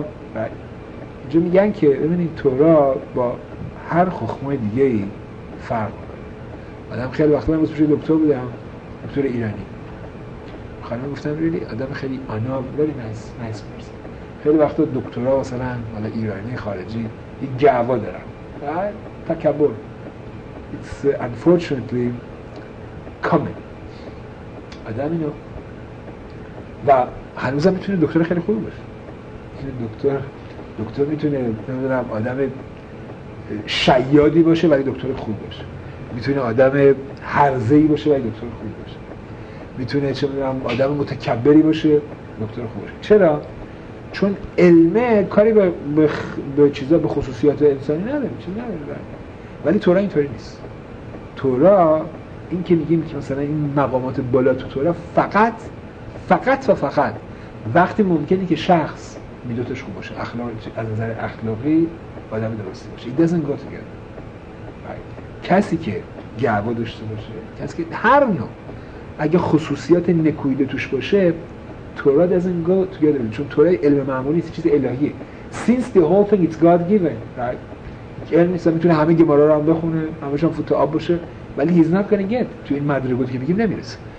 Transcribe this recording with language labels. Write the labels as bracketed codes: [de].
[fa] و اینجا میگن که ببینید تورا با هر خخمای دیگه ای فرق داره. آدم خیلی وقتا من روزی دکتر بودم، دکتر ایرانی خانم گفتم ریلی آدم خیلی آنا ولی [en] Nice پرس. [fa] خیلی وقتا دکترا مثلا حالا ایرانی خارجی یه گعوا دارن تکبر. [en] It's unfortunately common. [fa] آدم اینو و هنوز هم میتونه دکتر خیلی خوب باشه، دکتر میتونه نمیدونم آدم شیادی باشه ولی دکتر خوب باشه، میتونه آدم هرزه‌ای باشه ولی دکتر خوب باشه. میتونه چه میدونم آدم متکبری باشه، دکتر خوب باشه. چرا؟ چون علمه کاری به چیزا، به خصوصیات انسانی نداره، چیز نداره. ولی تورا اینطوری نیست. تورا این که میگیم که مثلا این مقامات بالا تو تورا فقط فقط و فقط وقتی ممکنه که شخص میدوتش خوب باشه، اخلاقی از نظر اخلاقی آدم درستی باشه. [en] It doesn't go together. Right. [fa] کسی که گعوا داشته باشه، کسی که هر نوع اگه خصوصیات نکویده توش باشه، تورا [en] doesn't go together. [fa] چون تورا علم معمولی نیست، چیز الهیه. [en] Since the whole thing is God given, right? [fa] علم نیست، میتونه همه گمارا رو هم بخونه، همش هم فوت آب باشه، ولی [en] he's not gonna get [fa] تو این مدرسه بود که بگیم نمیرسه.